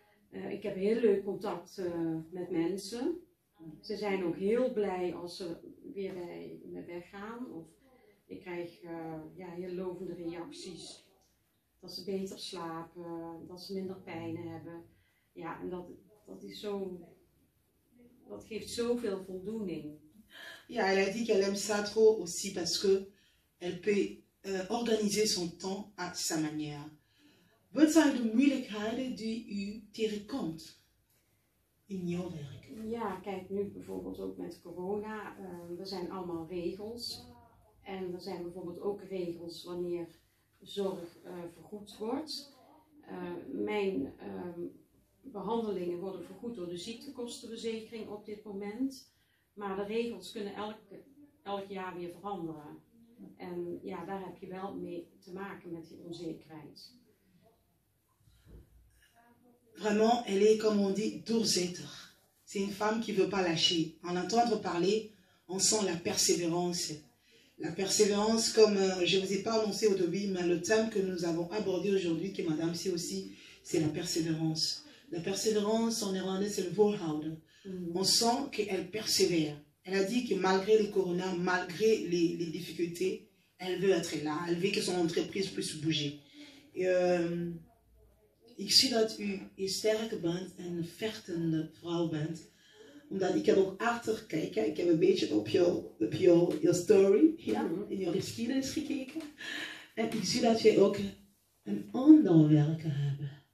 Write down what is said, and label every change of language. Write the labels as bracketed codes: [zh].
[nl] Ik heb heel leuk contact met mensen. Ze zijn ook heel blij als ze weer bij me weggaan. Of ik krijg heel lovende reacties. Dat ze beter slapen, dat ze minder pijn hebben. Ja, en dat is zo. Dat geeft zoveel voldoening. [fr] Ja, elle a dit qu'elle aime ça trop aussi parce que elle peut organiser son temps à sa manière. [nl] Wat zijn de moeilijkheden die u tegenkomt in jouw werk? Ja, kijk, nu bijvoorbeeld ook met corona. Er zijn allemaal regels. En er zijn bijvoorbeeld ook regels wanneer zorg vergoed wordt. Mijn behandelingen worden vergoed door de ziektekostenverzekering op dit moment. Maar de regels kunnen elk jaar weer veranderen. En ja, daar heb je wel mee te maken met die onzekerheid. [fr] Vraiment, elle est, comme on dit, doorzetter. C'est une femme qui ne veut pas lâcher. En entendre parler, on sent la persévérance. La persévérance, comme je ne vous ai pas annoncé au début, mais le thème que nous avons abordé aujourd'hui, que madame sait aussi, c'est la persévérance. La persévérance, en irlandais, c'est le volhouden. On sent qu'elle persévère. Elle a dit que malgré le corona, malgré les difficultés, elle veut être là. Elle veut que son entreprise puisse bouger. [nl] Ik zie dat u een sterke bent en een vechtende vrouw bent. Omdat ik heb ook achter gekeken. Ik heb een beetje op jouw story, ja, in jouw geschiedenis gekeken. heb ik zie dat je ook een ander werken hebt.